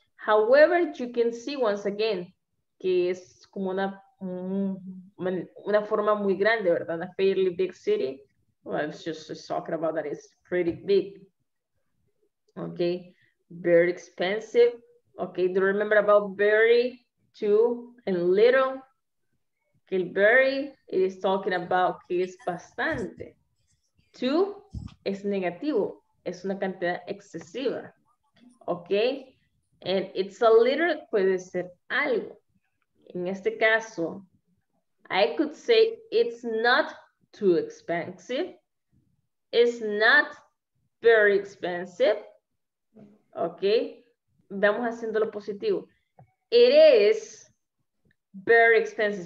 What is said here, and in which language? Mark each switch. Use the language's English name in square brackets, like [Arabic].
[English] However, you can see once again, [Spanish] que es como una forma muy grande, ¿verdad? [English] A fairly big city. Well, it's just talking about that it's pretty big. Okay, very expensive. Okay, do you remember about very, too, and little? Okay, very, it is talking about [Spanish] que es bastante. Two es negativo, es una cantidad excesiva. Okay, [English] And it's a little, [Spanish] puede ser algo. En este caso, [English] I could say it's not too expensive. It's not very expensive. Okay. [Spanish] Vamos haciéndolo positivo. [English] It is very expensive.